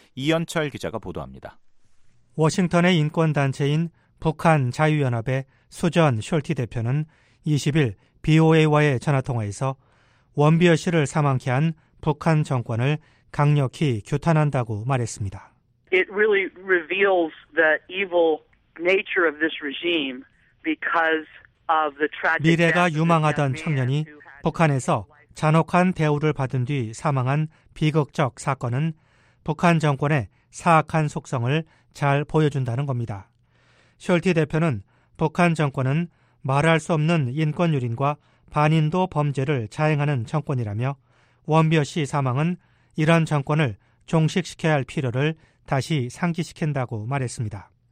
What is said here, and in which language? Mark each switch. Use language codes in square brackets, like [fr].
[ko] 이현철 기자가 보도합니다. 워싱턴의 인권단체인 북한자유연합의 수전 숄티 대표는 20일 BOA와의 전화통화에서 원비어 씨를 사망케 한 북한 정권을 강력히 규탄한다고 말했습니다. [en] It really reveals the evil nature of this regime because of the tragic [ko] 미래가 유망하던 청년이 북한에서 잔혹한 대우를 받은 뒤 사망한 비극적 사건은 북한 정권의 사악한 속성을 잘 보여준다는 겁니다. 숄티 대표는 북한 정권은 말할 수 없는 인권 유린과 반인도 범죄를 자행하는 정권이라며 원비어 씨 사망은 이런 정권을 종식시켜야 할 필요를 다시 상기시킨다고 말했습니다.